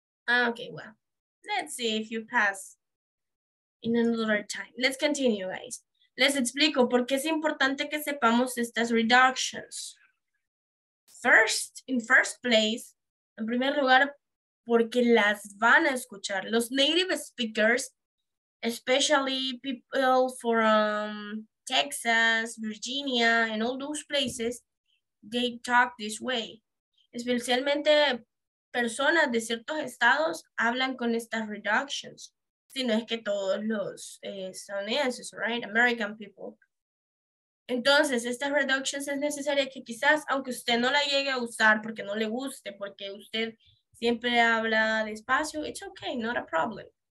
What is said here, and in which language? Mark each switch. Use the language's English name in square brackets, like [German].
[English] Okay, well, let's see if you pass in another time. Let's continue, guys. [Spanish] Les explico por qué es importante que sepamos estas reductions. [English] first place, [Spanish] en primer lugar, porque las van a escuchar. [English] Los native speakers, especially people from Texas, Virginia, and all those places, they talk this way. [Spanish] Especialmente personas de ciertos estados hablan con estas reductions. Si no es que todos los estadounidenses, right? [English] American people. [Spanish] Entonces, estas reductions es necesaria que quizás, aunque usted no la llegue a usar porque no le guste, porque usted siempre habla despacio, [English] it's okay, not a problem.